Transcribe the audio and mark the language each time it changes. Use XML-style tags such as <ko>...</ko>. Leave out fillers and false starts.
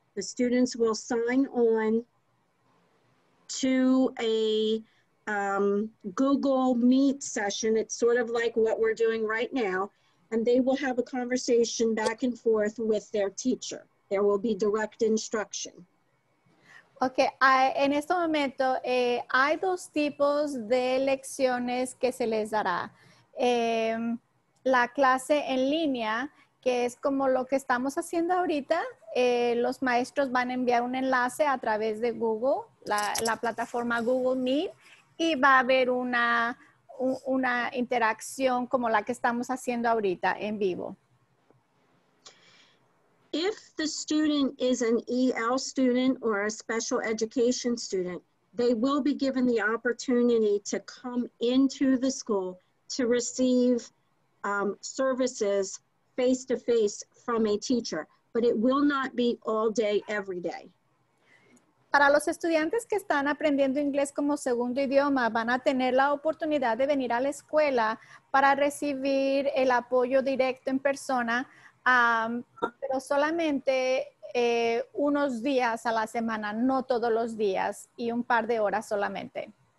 <en>The students will sign on to a Google Meet session. It's sort of like what we're doing right now. And they will have a conversation back and forth with their teacher. There will be direct instruction.</en> <es>Okay, en este momento hay dos tipos de lecciones que se les dará. La clase en línea, que es como lo que estamos haciendo ahorita. Los maestros van a enviar un enlace a través de Google, la plataforma Google Meet, y va a haber una interacción como la que estamos haciendo ahorita en vivo.</es> <en>If the student is an EL student or a special education student, they will be given the opportunity to come into the school to receive services face-to-face from a teacher, but it will not be all day, every day.</en> <es>Para los estudiantes que están aprendiendo inglés como segundo idioma, van a tener la oportunidad de venir a la escuela para recibir el apoyo directo en persona, pero solamente unos días a la semana, no todos los días, y un par de horas solamente.</es>